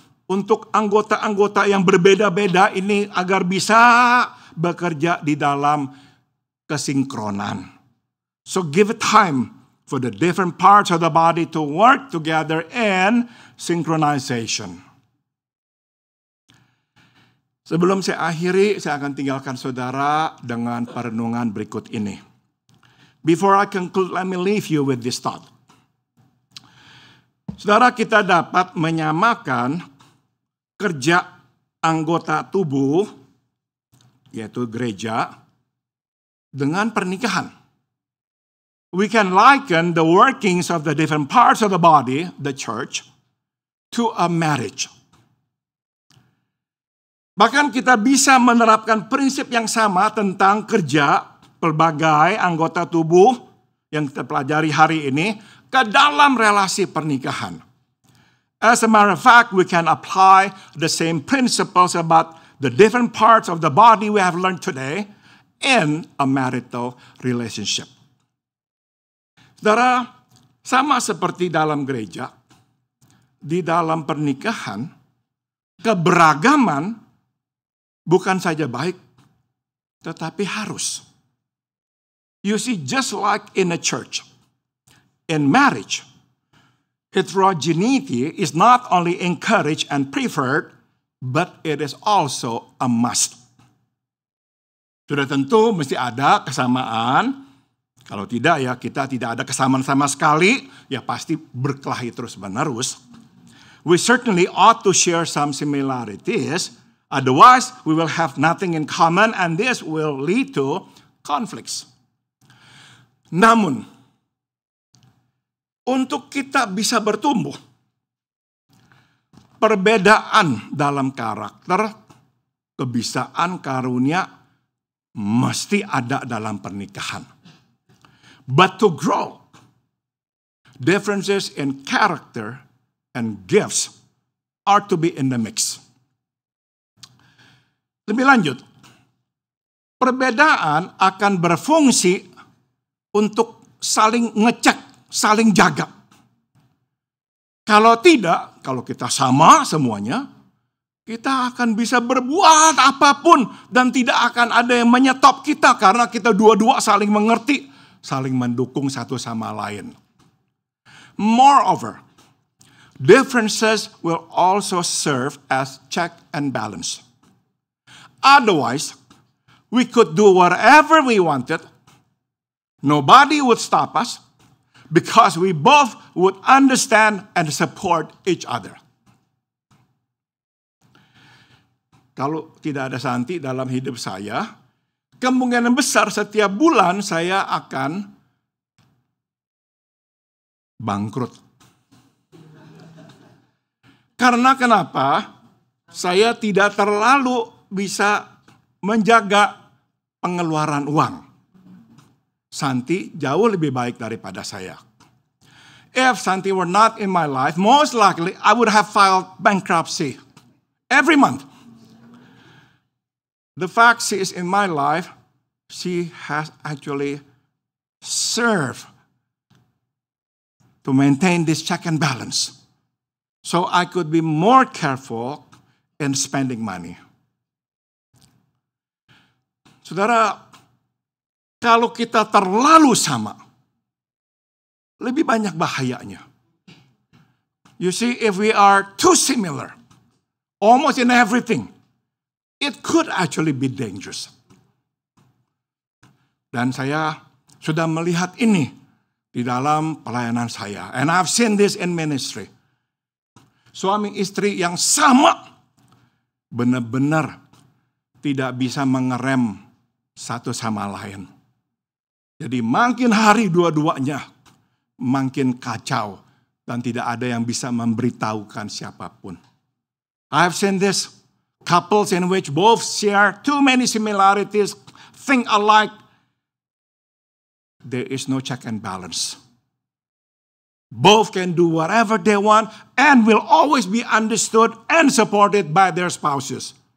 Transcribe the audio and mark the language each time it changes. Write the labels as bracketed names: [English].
[Indonesian] untuk anggota-anggota yang berbeda-beda ini agar bisa bekerja di dalam kesinkronan. [English] So give time for the different parts of the body to work together in synchronization. [Indonesian] Sebelum saya akhiri, saya akan tinggalkan saudara dengan perenungan berikut ini. [English] Before I conclude, let me leave you with this thought. [Indonesian] Saudara, kita dapat menyamakan kerja anggota tubuh, yaitu gereja, dengan pernikahan. [English] We can liken the workings of the different parts of the body, the church, to a marriage. [Indonesian] Bahkan kita bisa menerapkan prinsip yang sama tentang kerja pelbagai anggota tubuh yang kita pelajari hari ini ke dalam relasi pernikahan. [English] As a matter of fact, we can apply the same principles about the different parts of the body we have learned today in a marital relationship. [Indonesian] Saudara, sama seperti dalam gereja, di dalam pernikahan, keberagaman bukan saja baik, tetapi harus. [English] You see, just like in a church, in marriage, heterogeneity is not only encouraged and preferred, but it is also a must. [Indonesian] Sudah tentu mesti ada kesamaan. Kalau tidak ya, kita tidak ada kesamaan sama sekali, ya pasti berkelahi terus menerus. [English] We certainly ought to share some similarities, otherwise we will have nothing in common and this will lead to conflicts. [Indonesian] Namun, untuk kita bisa bertumbuh, perbedaan dalam karakter, kebiasaan, karunia mesti ada dalam pernikahan. [English] But to grow, differences in character and gifts are to be in the mix. [Indonesian] Lebih lanjut, perbedaan akan berfungsi untuk saling ngecek, saling jaga. Kalau tidak, kalau kita sama semuanya, kita akan bisa berbuat apapun dan tidak akan ada yang menyetop kita karena kita dua-dua saling mengerti, saling mendukung satu sama lain. [English] Moreover, differences will also serve as check and balance. Otherwise, we could do whatever we wanted. Nobody would stop us because we both would understand and support each other. [Indonesian] Kalau tidak ada Santi dalam hidup saya, kemungkinan besar setiap bulan saya akan bangkrut. Karena kenapa? Saya tidak terlalu bisa menjaga pengeluaran uang. Santi jauh lebih baik daripada saya. [English] If Santi were not in my life, most likely I would have filed bankruptcy every month. The fact she is in my life, she has actually served to maintain this check and balance. So I could be more careful in spending money. [Indonesian] Saudara, kalau kita terlalu sama, lebih banyak bahayanya. [English] You see, if we are too similar, almost in everything, it could actually be dangerous. [Indonesian] Dan saya sudah melihat ini di dalam pelayanan saya. [English] And I've seen this in ministry. [Indonesian] Suami istri yang sama benar-benar tidak bisa mengerem satu sama lain. Jadi makin hari dua-duanya makin kacau dan tidak ada yang bisa memberitahukan siapapun. [English] I've seen this couples in which both share too many similarities, think alike. There is no check and balance. Both can do whatever they want and will always be understood and supported by their spouses.